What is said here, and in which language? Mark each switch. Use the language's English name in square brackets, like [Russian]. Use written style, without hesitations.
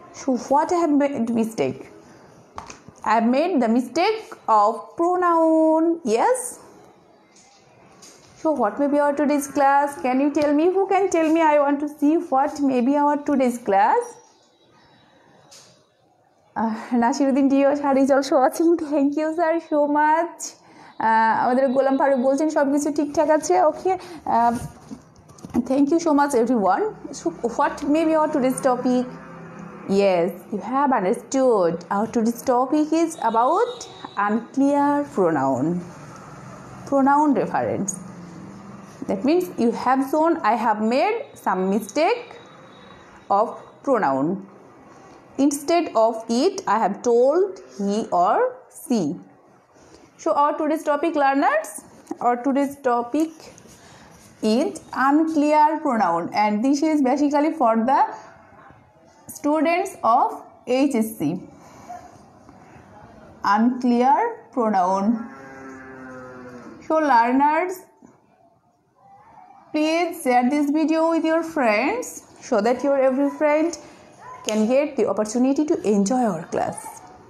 [English] So what I have made mistake? I have made the mistake of pronoun. Yes. So what may be our today's class? Can you tell me? Who can tell me? I want to see what may be our today's class. Nasiruddin Dio sir is also watching. Thank you sir so much. [Bangla] আমাদের গোলাম ফারুক বলছেন সব কিছু ঠিকঠাক আছে। [English] Okay, thank you so much everyone. So what may be our today's topic? Yes, you have understood, our today's topic is about unclear pronoun, pronoun reference. That means you have shown I have made some mistake of pronoun. Instead of it I have told he or she. So our today's topic, learners, our today's topic is unclear pronoun, and this is basically for the students of HSC. Unclear pronoun. So learners, please share this video with your friends so that your every friend can get the opportunity to enjoy our class.